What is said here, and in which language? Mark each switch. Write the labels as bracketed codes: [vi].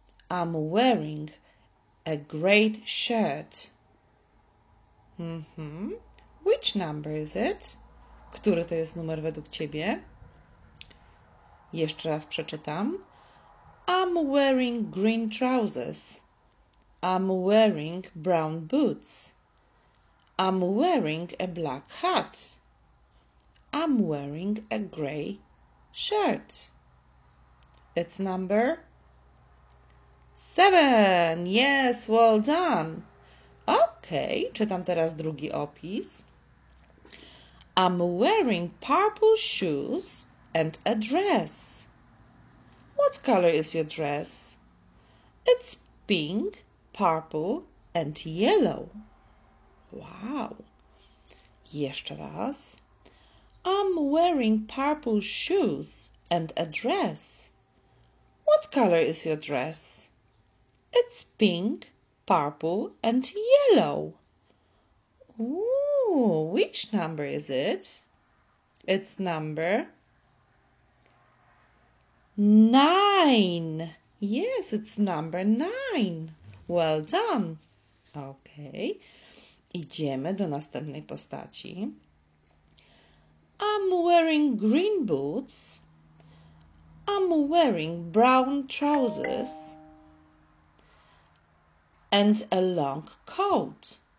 [en] I'm wearing a gray shirt. Which number is it? [pl] Który to jest numer według ciebie? Jeszcze raz przeczytam. [en] I'm wearing green trousers. I'm wearing brown boots. I'm wearing a black hat. I'm wearing a gray shirt. It's number 7. Yes, well done. [pl] Okay, czytam teraz drugi opis. [en] I'm wearing purple shoes and a dress. What color is your dress? It's pink, purple and yellow. Wow. [pl] Jeszcze raz. [en] I'm wearing purple shoes and a dress. What color is your dress? It's pink, purple and yellow. Ooh, which number is it? It's number 9. Yes, it's number 9. Well done. Okay. [pl] Idziemy do następnej postaci. [en] I'm wearing green boots. I'm wearing brown trousers and a long coat.